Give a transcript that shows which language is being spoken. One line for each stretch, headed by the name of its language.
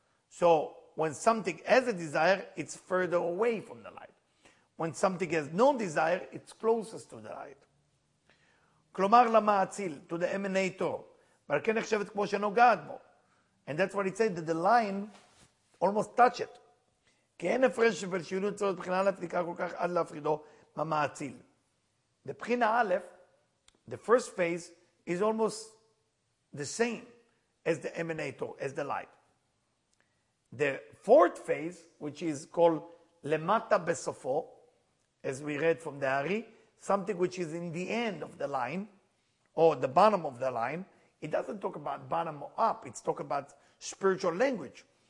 English: So when something has a desire, it's further away from the light. When something has no desire, it's closest to the light.
Hebrew: Klomar l'ma'atzil,
English: to the emanator.
Hebrew: V'alken nechshevet kmo sheno gad bo.
English: And that's what it said, that the line almost touch it.
Hebrew: כי אין הפרש של שינוי צורת בחינה א' נקרא כל כך עד להפרידו מהמעציל.
English: The בחינה א', the first phase, is almost the same as the emanator, as the light. The fourth phase, which is called למטה בסופו, as we read from the Ari, something which is in the end of the line, or the bottom of the line, it doesn't talk about bottom or up, it's talk about spiritual language.